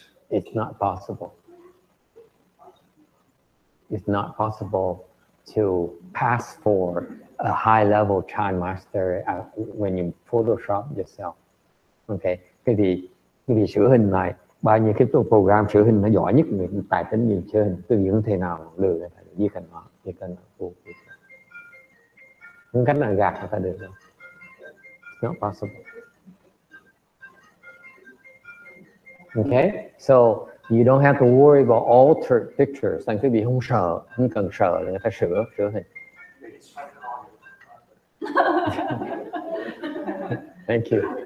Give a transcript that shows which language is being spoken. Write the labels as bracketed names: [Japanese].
[English] It's not possible. It's not possible to pass for a high level Chan master when you Photoshop yourself. [Vietnamese] Okay, cái gì sửa hình lại, bao nhiêu cái program sửa hình nó giỏi nhất, người tài tính nhiều sửa hình, tôi không thể nào lừa người ta được. Chỉ cần không cách nào gạt người ta được. [English] It's not possible. Okay, so you don't have to worry about altered pictures. [Vietnamese] Thành quý vị không sợ, không cần sợ là người ta sửa hình. [English] Thank you.